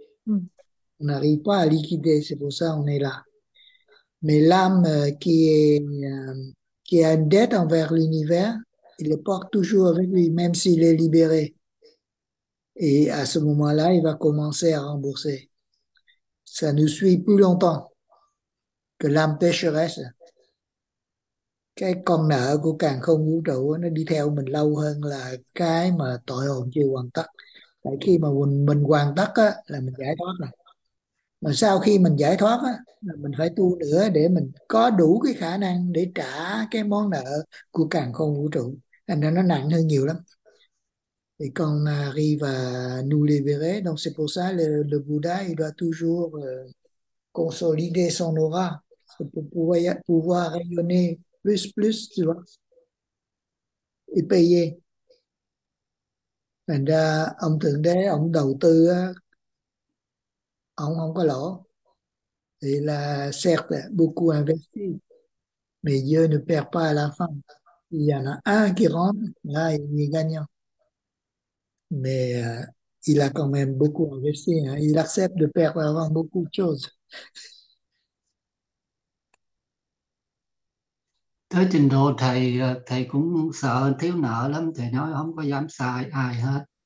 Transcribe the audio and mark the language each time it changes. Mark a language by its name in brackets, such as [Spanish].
[French] On n'arrive pas à liquider, c'est pour ça qu'on est là. Mais l'âme qui a une dette envers l'univers, il le porte toujours avec lui, même s'il est libéré. Et à ce moment-là, il va commencer à rembourser. Ça nous suit plus longtemps que l'âme pécheresse. [Vietnamese] Cái con nợ của càn khôn vũ trụ nó đi theo mình lâu hơn là cái mà tội hồn chưa hoàn tất. Tại khi mà mình hoàn tất á, là mình giải thoát rồi. Mà sau khi mình giải thoát á, là mình phải tu nữa để mình có đủ cái khả năng để trả cái món nợ của càn khôn vũ trụ. Thành ra nó nặng hơn nhiều lắm. Thì con [French] arrive à nous libérer. Donc c'est pour ça le Bouddha, il doit toujours consolider son aura pour pouvoir rayonner plus, tu vois, et payer. [Vietnamese] Thành ra ông Thượng Đế ông đầu tư á, ông không có lỗ. Thì là [French] certes beaucoup investi, mais Dieu ne perd pas à la fin. Il y en a un qui rentre, là il est gagnant. Mais il a quand même beaucoup investi, hein. Il accepte de perdre avant beaucoup de choses. [Vietnamese] Tới trình độ thầy thầy cũng sợ thiếu nợ lắm, thầy nói không có dám sai ai hết.